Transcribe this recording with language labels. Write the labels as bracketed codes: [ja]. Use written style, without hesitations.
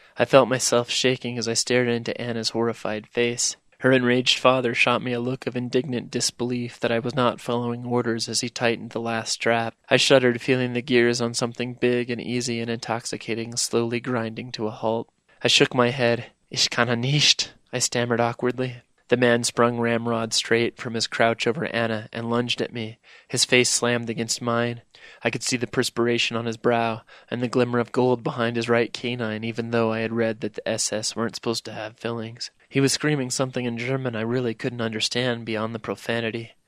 [en] I felt myself shaking as I stared into Anna's horrified face. Her enraged father shot me a look of indignant disbelief that I was not following orders as he tightened the last strap. I shuddered, feeling the gears on something big and easy and intoxicating slowly grinding to a halt. I shook my head. [de] Ich kann nicht, [en] I stammered awkwardly. The man sprung ramrod straight from his crouch over Anna and lunged at me. His face slammed against mine. I could see the perspiration on his brow and the glimmer of gold behind his right canine, even though I had read that the SS weren't supposed to have fillings. He was screaming something in German I really couldn't understand beyond the profanity.